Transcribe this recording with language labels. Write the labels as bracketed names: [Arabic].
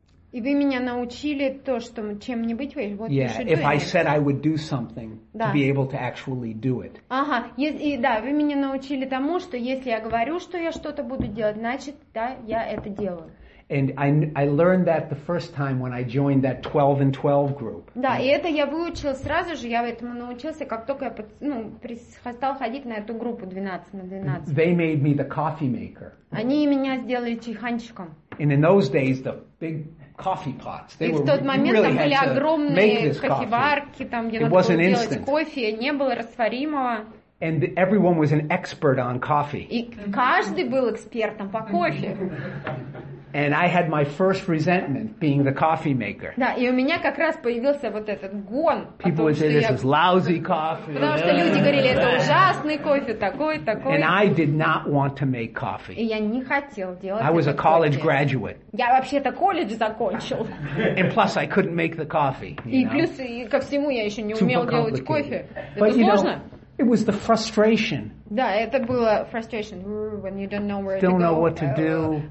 [Russian] И вы меня научили то, что чем не быть, вот [English] Yeah, if I said I would do something [Russian] да. [English] to be able to actually do it. [Russian] Ага, и да, вы меня научили тому, что если я говорю, что я что-то буду делать, значит, да, я это делаю. [English] And I learned that the first time when I joined that 12 and 12 group. [Russian] Да, и это я выучил сразу же, я этому научился, как только я стал ходить на эту группу 12 на 12. [English] They made me the coffee maker. [Russian] Они меня сделали чайханчиком. [English] And in those days the big coffee pots. They [Russian] и в тот момент [English] really [Russian] там были огромные кофеварки, там где надо было делать кофе, не было растворимого. [English] And everyone was an expert on coffee. [Russian] И каждый был экспертом по кофе. [English] And I had my first resentment being the coffee maker. [Russian] Да, и у меня как раз появился вот этот гон. [English] People would say, this is lousy coffee. [Russian] Потому что люди говорили, это ужасный кофе, такой. [English] And I did not want to make coffee. [Russian] И я не хотел делать кофе. [English] I was a college graduate. [Russian] Я вообще-то колледж закончил. [English] And plus, I couldn't make the coffee. [Russian] И плюс ко всему я еще не умел делать кофе. Это сложно. [English] It was the frustration. [Russian] Да, это было [English] frustration when you don't know where still Don't know what to do.